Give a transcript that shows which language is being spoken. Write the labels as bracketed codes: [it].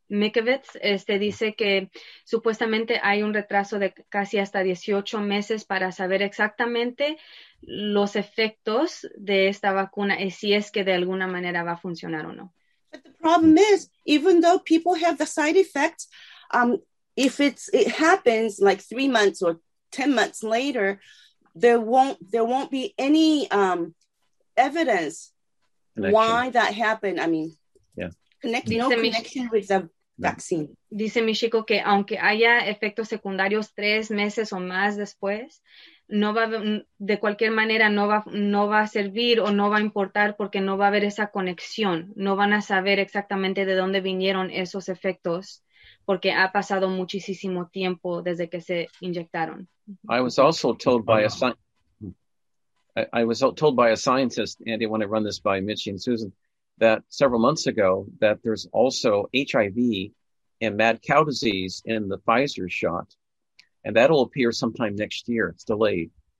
[es] Mikovits, dice que supuestamente hay un retraso de casi hasta 18 meses para saber exactamente los efectos de esta vacuna y si es que de alguna manera va a funcionar o no. [en] But the problem is, even though people have the side effects, if it happens like 3 months or 10 months later, there won't be any evidence connection. Why that happened. I mean, yeah. Connection with the vaccine. [es] Dice mi chico que aunque haya efectos secundarios 3 meses o más después, no va, de cualquier manera no va a servir o no va a importar porque no va a haber esa conexión. No van a saber exactamente de dónde vinieron esos efectos porque ha pasado muchísimo tiempo desde que se inyectaron. [en] I was told by a scientist, Andy, I want to run this by Mitchie and Susan, that several months ago that there's also HIV and mad cow disease in the Pfizer shot. And that'll appear sometime next year. It's delayed.